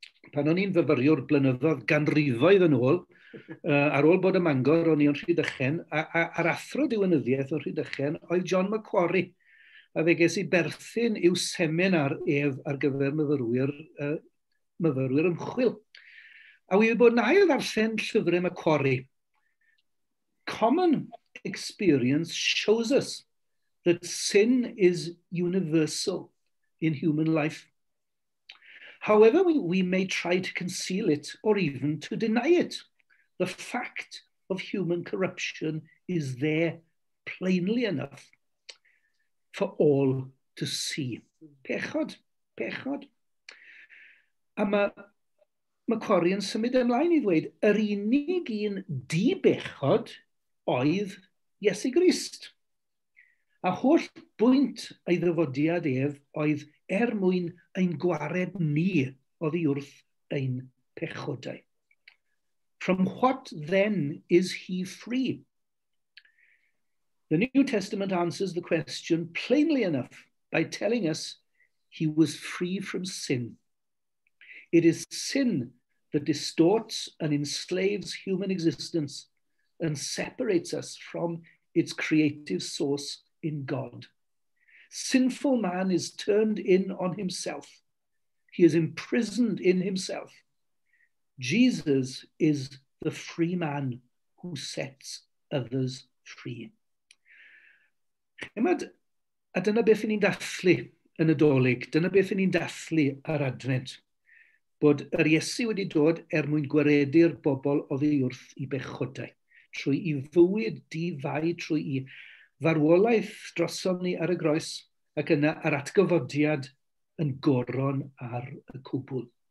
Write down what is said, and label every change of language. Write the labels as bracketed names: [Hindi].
[Welsh] Pan o'n i'n fyfyriwr blynyddoedd ganrifoedd yn ôl, ar ôl bod y Mangor, o'n i'n Rhydychen, a'r athro diwynyddiaeth o'n Rhydychen oedd John Macquarie. A fe ges i berthyn yw seminar ef ar gyfer myfyrwyr ymchwil. A wedi bod yn ail ddarllen llyfrau Macquarie. [English] Common experience shows us that sin is universal in human life. However we may try to conceal it or even to deny it, the fact of human corruption is there plainly enough for all to see. [Welsh] Pechod, pechod. A mae Macquarie yn symud ymlaen i ddweud, yr unig un di-bechod oedd Iesu Grist. A holl bwynt ei ddyfodiad ef oedd er mwyn ein gwared ni oddi wrth ein pechodau. [English] From what then is he free? The New Testament answers the question plainly enough by telling us he was free from sin. It is sin that distorts and enslaves human existence and separates us from its creative source in God. Sinful man is turned in on himself. He is imprisoned in himself. Jesus is the free man who sets others free. [Welsh] A dyna beth ni'n dathlu yn y Dolig, dyna beth ni'n dathlu ar Advent, bod yr Iesu wedi dod er mwyn gwaredu'r bobl oddi wrth I bechodau, trwy I fywyd difai, trwy I farwolaeth drosom ni ar y groes, ac yna ar atgyfodiad yn goron ar y cwbl.